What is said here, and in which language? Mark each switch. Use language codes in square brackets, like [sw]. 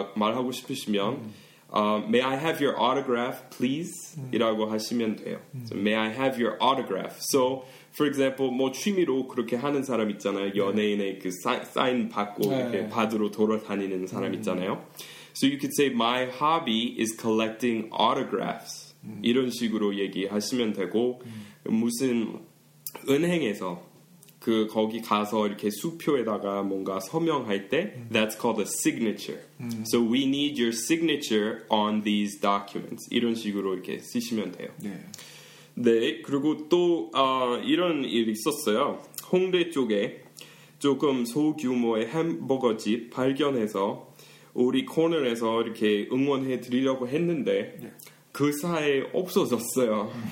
[ko] 말하고 싶으시면 [en] may I have your autograph please? [ko] 이라고 하시면 돼요. [en] So, may I have your autograph? So for example [ko] 뭐 취미로 그렇게 하는 사람 있잖아요. 연예인의 그 sign 받고 네. 이렇게 받으러 돌아다니는 사람 있잖아요. [en] So you could say my hobby is collecting autographs. [ko] 이런 식으로 얘기하시면 되고 무슨 은행에서 그 거기 가서 이렇게 수표에다가 뭔가 서명할 때 [en] that's called a signature. So we need your signature on these documents. [ko] 이런 식으로 이렇게 쓰시면 돼요. 네. 네. 그리고 또 이런 일이 있었어요. 홍대 쪽에 조금 소규모의 햄버거집 발견해서 우리 코너에서 이렇게 응원해 드리려고 했는데 그 사이 없어졌어요.